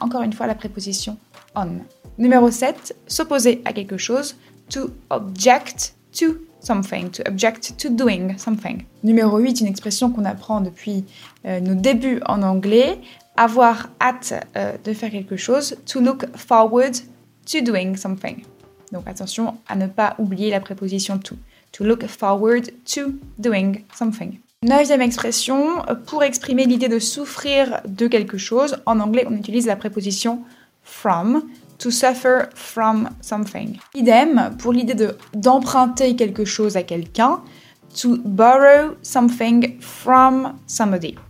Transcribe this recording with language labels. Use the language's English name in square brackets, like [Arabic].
[French] Encore une fois, la préposition « on ». Numéro 7, s'opposer à quelque chose, « [English] to object to something »,« to object to doing something ». [French] Numéro 8, une expression qu'on apprend depuis nos débuts en anglais, « avoir hâte de faire quelque chose »,« [English] to look forward to doing something ». [French] Donc attention à ne pas oublier la préposition « to ». [English] To look forward to doing something. [French] Neuvième expression, pour exprimer l'idée de souffrir de quelque chose, en anglais on utilise la préposition from, [English] to suffer from something. [French] Idem, pour l'idée d'emprunter quelque chose à quelqu'un, [English] to borrow something from somebody.